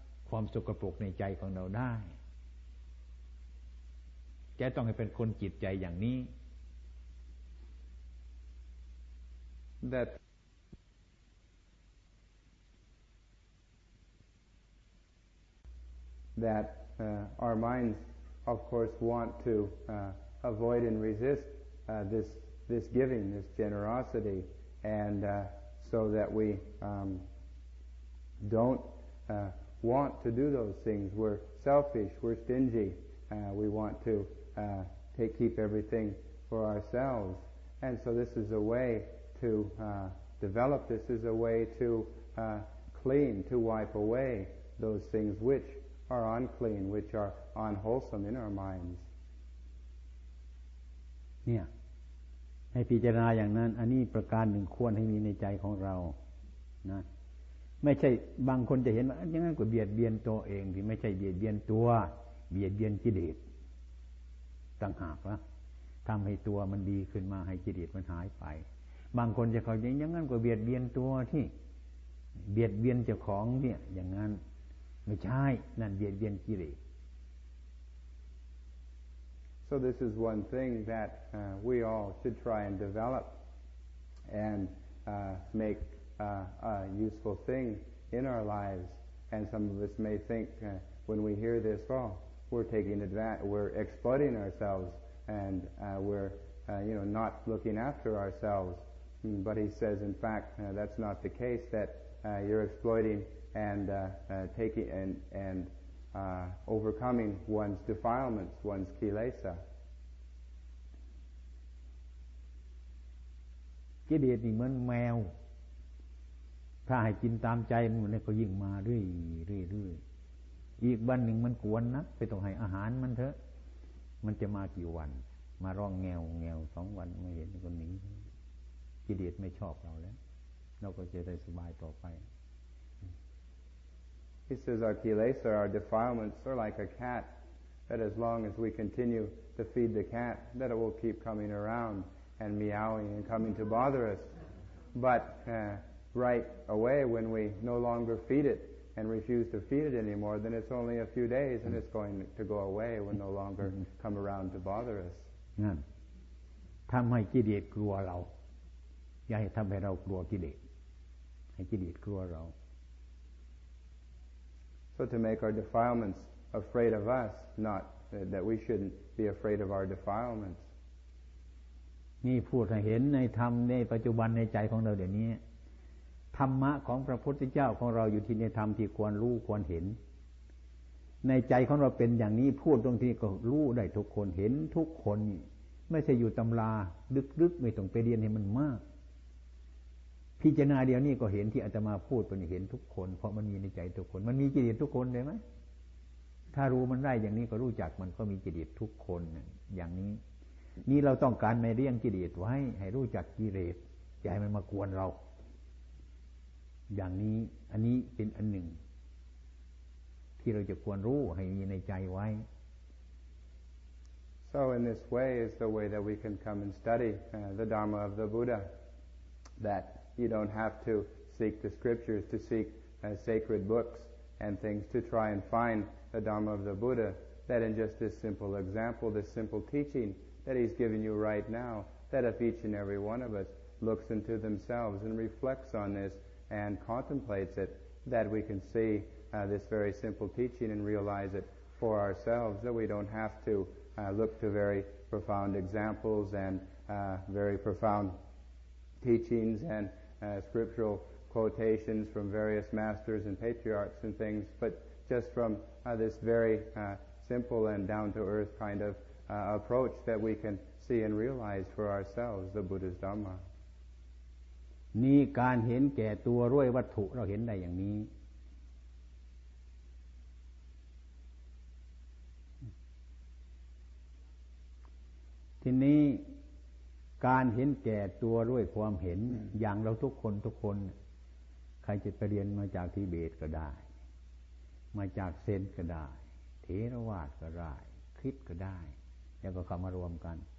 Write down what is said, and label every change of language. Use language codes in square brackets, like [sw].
[th] ความสกปรกในใจของเราได้จะต้องให้เป็นคนจิตใจอย่างนี้ [en] That our minds of course want to avoid and resist this giving, this generosity, and so that we don't want to do those things. We're selfish, we're stingy, we want to keep everything for ourselves. And so this is a way to develop, this is a way to clean, to wipe away those things which are unclean, which are unwholesome in our minds. Yeah. [th] ให้พิจารณาอย่างนั้นอันนี้ประการหนึ่งควรให้มีในใจของเรานะไม่ใช่บางคนจะเห็นว่าอย่างนั้นก็เบียดเบียนตัวเองที่ไม่ใช่เบียดเบียนตัวเบียดเบียนกิเลสต่างหากนะทำให้ตัวมันดีขึ้นมาให้กิเลสมันหายไปบางคนจะเข้าใจอย่างนั้นก็เบียดเบียนตัวที่เบียดเบียนเจ้าของเนี่ยอย่างนั้นไม่ใช่นั่นเบียดเบียนกิเลส [en] So this is one thing that we all should try and develop and make a useful thing in our lives. And some of us may think when we hear this, well, we're taking we're exploiting ourselves and we're you know, not looking after ourselves. But he says, in fact, that's not the case, that you're exploiting and taking and overcoming one's defilements, one's kilesa. [th] กิเลสนี่เหมือนแมวถ้าให้กินตามใจมันเนี่ยก็ยิ่งมาเรื่อยๆอีกวันหนึ่งมันกวนนะไปต้องให้อาหารมันเถอะมันจะมากี่วันมาร้องแงวๆ2วันไม่เห็นก็หนีกิเลสไม่ชอบเราแล้วเราก็จะได้สบายต่อไป [en] He says our kilesa, our defilements are like a cat that as long as we continue to feed the cat that it will keep coming aroundand meowing and coming to bother us. But right away, when we no longer feed it and refuse to feed it anymore, then it's only a few days and it's going to go away when no longer come around to bother us. [th] นั่นทำให้กิเลสกลัวเราอย่าให้ทำให้เรากลัวกิเลสให้กิเลสกลัวเรา [en] So to make our defilements afraid of us, not that we shouldn't be afraid of our defilements. [th] นี่พูดให้เห็นในธรรมในปัจจุบันในใจของเราเดี๋ยวนี้ธรรมะของพระพุทธเจ้าของเราอยู่ที่ในธรรมที่ควรรู้ควรเห็นในใจของเราเป็นอย่างนี้พูดตรงที่ก็รู้ได้ทุกคนเห็นทุกคนไม่ใช่อยู่ตำราลึกๆไม่ต้องไปเรียนให้มันมาก พิจารณาเดี๋ยวนี้ก็เห็นที่อาตมาพูดเป็นเห็นทุกคนเพราะมันมีในใจทุกคนมันมีกิเลสทุกคนเลยไหมถ้ารู้มันได้อย่างนี้ก็รู้จักมันก็มีกิเลสทุกคนอย่างนี้นี่เราต้องการไม่เลี้ยงกิเลสไว้ให้รู้จักกิเลสอย่าให้มันมากวนเราอย่างนี้อันนี้เป็นอันหนึ่งที่เราจะควรรู้ให้มีในใจไว้ [en] So in this way is the way that we can come and study the Dharma of the Buddha that you don't have to seek the scriptures to seek sacred books and things to try and find the Dharma of the Buddha that in just this simple example this simple teachingThat he's giving you right now. That if each and every one of us looks into themselves and reflects on this and contemplates it, that we can see this very simple teaching and realize it for ourselves. That we don't have to look to very profound examples and very profound teachings and scriptural quotations from various masters and patriarchs and things, but just from this very simple and down-to-earth kind of. Approach that we can see and realize for ourselves the Buddha's Dhamma. [th] นี่การเห็นแก่ตัวด้วยวัตถุเราเห็นได้อย่างนี้ทีนี้การเห็นแก่ตัวด้วยความเห็นอย่างเราทุกคนใครจะไปเรียนมาจากทิเบตก็ได้มาจากเซนก็ได้เถรวาทก็ได้คริสต์ก็ได้อย่าก็เข้ามารวมกัน